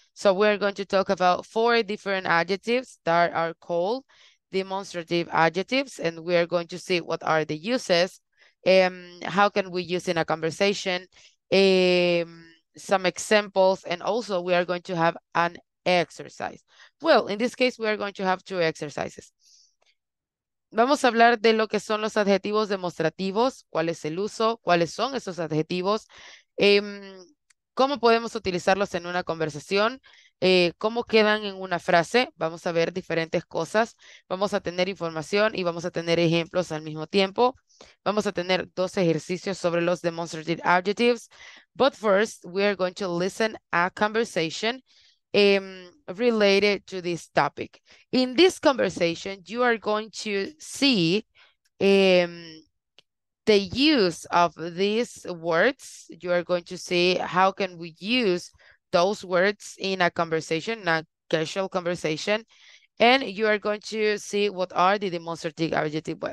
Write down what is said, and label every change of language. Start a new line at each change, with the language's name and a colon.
English: So we're going to talk about four different adjectives that are called demonstrative adjectives, and we are going to see what are the uses and how can we use in a conversation, some examples, and also we are going to have an exercise. Well, in this case, we are going to have two exercises.
Spanish: Vamos a hablar de lo que son los adjetivos demostrativos, cuál es el uso, cuáles son esos adjetivos, cómo podemos utilizarlos en una conversación, cómo quedan en una frase. Vamos a ver diferentes cosas. Vamos a tener información y vamos a tener ejemplos al mismo tiempo. Vamos a tener dos ejercicios sobre los demonstrative adjectives.
English: But first, we are going to listen a conversation related to this topic. In this conversation, you are going to see the use of these words. You are going to see how can we use those words in a conversation, a casual conversation, and you are going to see what are the demonstrative adjectives.